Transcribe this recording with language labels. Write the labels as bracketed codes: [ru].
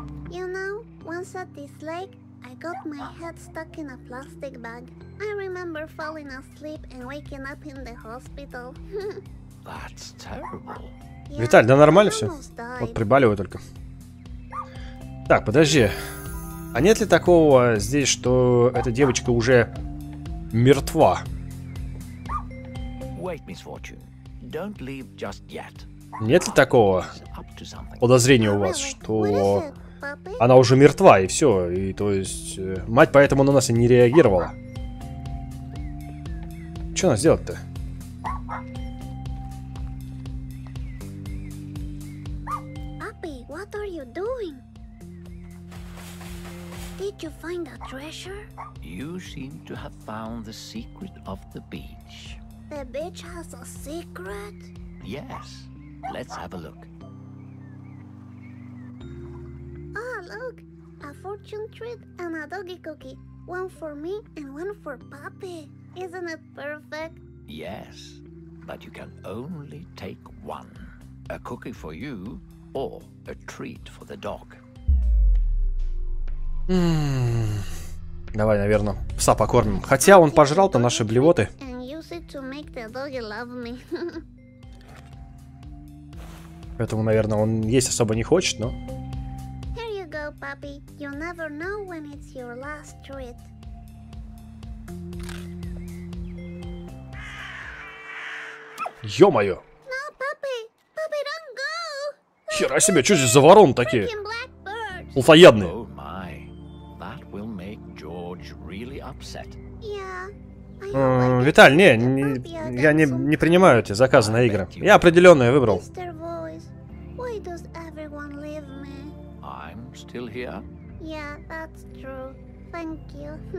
[en] You know, once at this lake, I got my head stuck in a plastic bag. I remember falling asleep and waking up in the hospital. That's terrible. [ru] Yeah, Виталь, да нормально все? Вот прибаливаю только. Так, подожди. А нет ли такого здесь, что эта девочка уже мертва? [en] Wait, Miss Fortune. Don't leave just yet. [ru] Нет ли такого подозрения у вас, что она уже мертва, и все. И то есть мать поэтому на нас и не реагировала. Что надо сделать-то? [en] Папи, what are you doing? Did you find a treasure? You seem to have found the secret of the beach. The beach has a secret? Yes. Let's have a look. Ah, look! A fortune treat and a doggy cookie. One for me and one for Papi. Isn't it perfect? Yes, but you can only take one. A cookie for you or a treat for the dog. [ru] Давай, наверное, пса покормим. Хотя он пожрал-то наши блевоты. [en] And use it to make the doggy love me. [ru] Поэтому, наверное, он есть особо не хочет, но... [en] Here you go, puppy. You never know when it's your last treat. [ru] Ё-моё! [en] No, puppy! Puppy, don't go! [ru] Хера себе, что здесь за вороны такие? Уфоядные! [en] Oh my, that will make George really upset. Yeah. [ru] Виталь, не, я не принимаю эти заказы на игры. Я определенные выбрал. [en] Why does everyone leave me? I'm still here. Yeah, that's true. Thank you.